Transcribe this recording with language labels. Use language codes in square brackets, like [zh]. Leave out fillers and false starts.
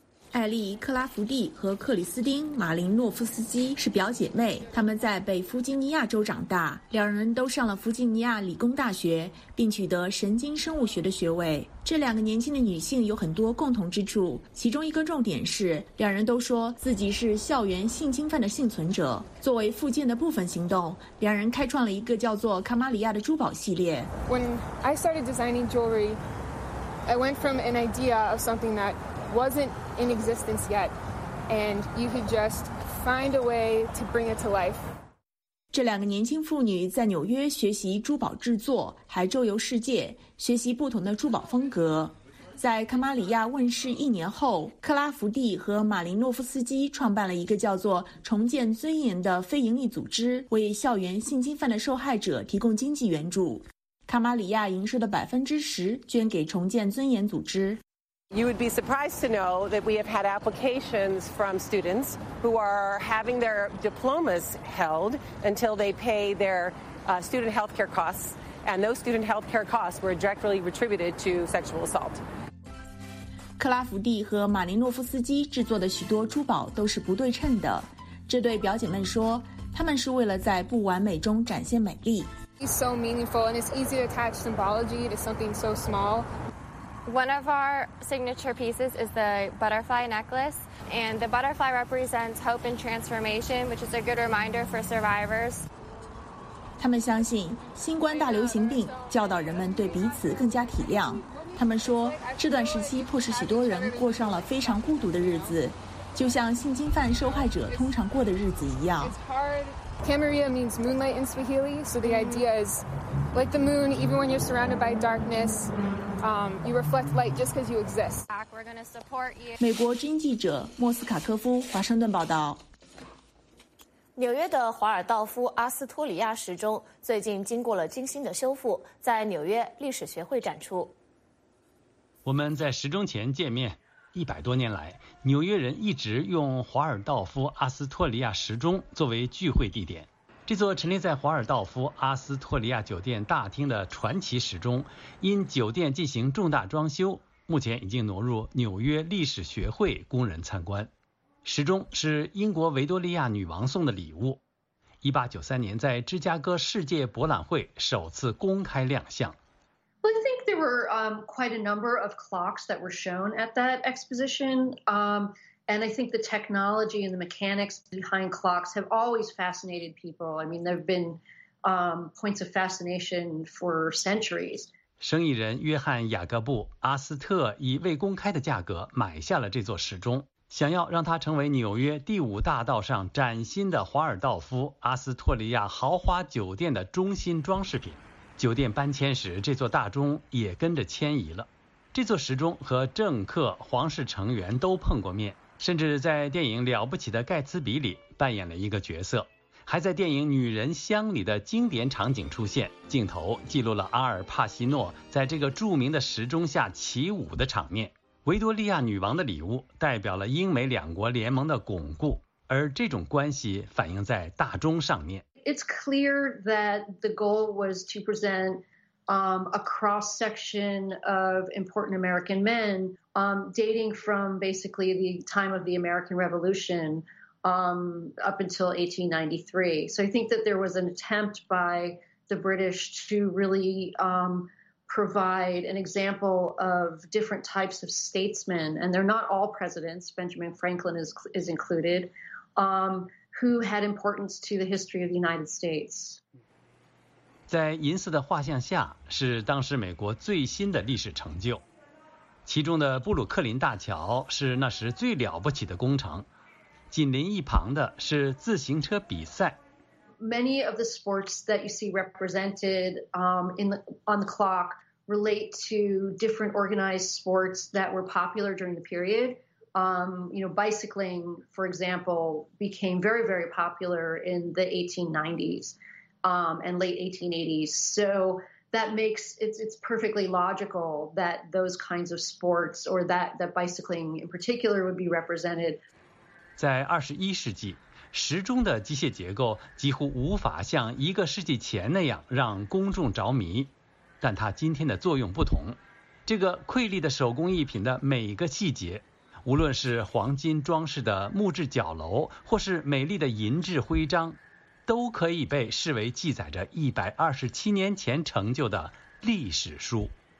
[zh] 艾丽·克拉福蒂和克里斯丁·马林诺夫斯基是表姐妹，她们在北弗吉尼亚州长大，两人都上了弗吉尼亚理工大学，并取得神经生物学的学位。这两个年轻的女性有很多共同之处，其中一个重点是，两人都说自己是校园性侵犯的幸存者。作为复健的部分行动，两人开创了一个叫做卡玛里亚的珠宝系列。 [en] When I started designing jewelry, I went from an idea of something that wasn't in existence yet, and you could just find a way to bring it to life. [zh] 这两个年轻妇女在纽约学习珠宝制作，还周游世界学习不同的珠宝风格。在卡玛里亚问世一年后，克拉福蒂和马林诺夫斯基创办了一个叫做重建尊严的非营利组织，为校园性侵犯的受害者提供经济援助。卡玛里亚营收的10%捐给重建尊严组织。 [en] You would be surprised to know that we have had applications from students who are having their diplomas held until they pay their student health care costs. And those student health care costs were directly attributed to sexual assault. [zh] 克拉福蒂和马林诺夫斯基制作的许多珠宝都是不对称的。这对表姐们说，他们是为了在不完美中展现美丽。 [en] It's so meaningful and it's easy to attach symbology to something so small. One of our signature pieces is the butterfly necklace, and the butterfly represents hope and transformation, which is a good reminder for survivors. [zh] 他们相信新冠大流行病教导人们对彼此更加体谅。他们说，这段时期迫使许多人过上了非常孤独的日子，就像性侵犯受害者通常过的日子一样。 [en] Camaria means moonlight in Swahili, so the idea is, like the moon, even when you're surrounded by darkness,you reflect light just because you exist. We're going to support you. [zh] 美国之音记者莫斯卡科夫华盛顿报道。纽约的华尔道夫阿斯托里亚时钟最近经过了精心的修复，在纽约历史学会展出。我们在时钟前见面，100多年来，纽约人一直用华尔道夫阿斯托里亚时钟作为聚会地点。这座陈列在华尔道夫阿斯托里亚酒店大厅的传奇时钟，因酒店进行重大装修，目前已经挪入纽约历史学会供人参观。时钟是英国维多利亚女王送的礼物，1893年在芝加哥世界博览会首次公开亮相。 [en] Well, I think there were quite a number of clocks that were shown at that exposition. And I think the technology and the mechanics behind clocks have always fascinated people. I mean, there have been points of fascination for centuries. [zh] 生意人约翰·雅各布·阿斯特以未公开的价格买下了这座时钟，想要让它成为纽约第五大道上崭新的华尔道夫阿斯托里亚豪华酒店的中心装饰品。酒店搬迁时，这座大钟也跟着迁移了。这座时钟和政客、皇室成员都碰过面，甚至在电影《了不起的盖茨比》里扮演了一个角色，还在电影《女人香》里的经典场景出现，镜头记录了阿尔帕西诺在这个著名的时钟下起舞的场面。维多利亚女王的礼物代表了英美两国联盟的巩固，而这种关系反映在大钟上面。 [en] It's clear that the goal was to present a cross-section of important American men dating from basically the time of the American Revolution up until 1893. So I think that there was an attempt by the British to really provide an example of different types of statesmen. And they're not all presidents. Benjamin Franklin is included. Who had importance to the history of the United States. [zh] 在银色的画像下是当时美国最新的历史成就，其中的布鲁克林大桥是那时最了不起的工程，紧邻一旁的是自行车比赛。 [en] Many of the sports that you see represented on the clock relate to different organized sports that were popular during the period. Bicycling, for example, became very, very popular in the 1890s and late 1880s. So that makes it's perfectly logical that those kinds of sports or that bicycling in particular would be represented. [zh] 在21世纪，时钟的机械结构几乎无法像一个世纪前那样让公众着迷，但它今天的作用不同。这个瑰丽的手工艺品的每个细节。无论是黄金装饰的木质角楼，或是美丽的银质徽章，都可以被视为记载着127年前成就的历史书。